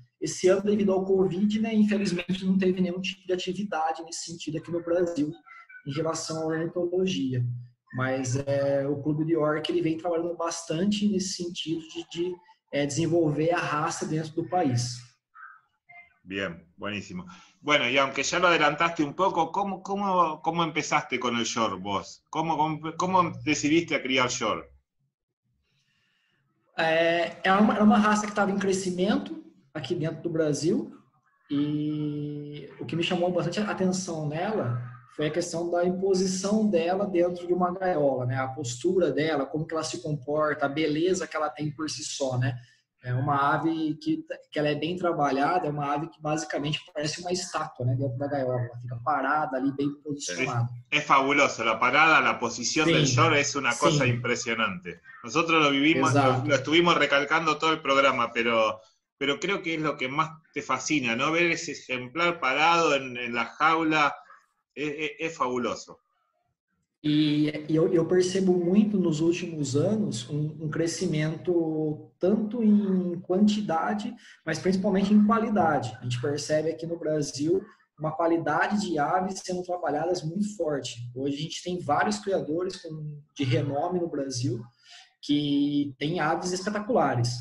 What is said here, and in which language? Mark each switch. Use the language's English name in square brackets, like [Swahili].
[Portuguese] Esse ano, devido ao Covid, né, infelizmente não teve nenhum tipo de atividade nesse sentido aqui no Brasil, em relação à ornitologia. Mas o Clube de York, ele vem trabalhando bastante nesse sentido de desenvolver a raça dentro do país. [Spanish] Bien, buenísimo. Bueno, y aunque ya lo adelantaste un poco, ¿cómo empezaste con el York vos? ¿Cómo decidiste a criar York? [Portuguese] Era uma raça que estava em crescimento aqui dentro do Brasil, e o que me chamou bastante atenção nela foi a questão da imposição dela dentro de uma gaiola, né? A postura dela, como que ela se comporta, a beleza que ela tem por si só, né? É uma ave que ela é bem trabalhada, é uma ave que basicamente parece uma estátua, né, dentro da gaiola. Ela fica parada ali, bem posicionada. É fabuloso. A parada, a posição do short é uma coisa impressionante. [Spanish] Nós lo vivimos, lo estuvimos recalcando todo o programa, pero creo que es lo que más te fascina, ¿no? Ver ese ejemplar parado en la jaula es fabuloso. [Portuguese] E eu percebo muito nos últimos anos um crescimento tanto em quantidade, mas principalmente em qualidade. A gente percebe aqui no Brasil uma qualidade de aves sendo trabalhadas muito forte. Hoje a gente tem vários criadores de renome no Brasil que têm aves espetaculares.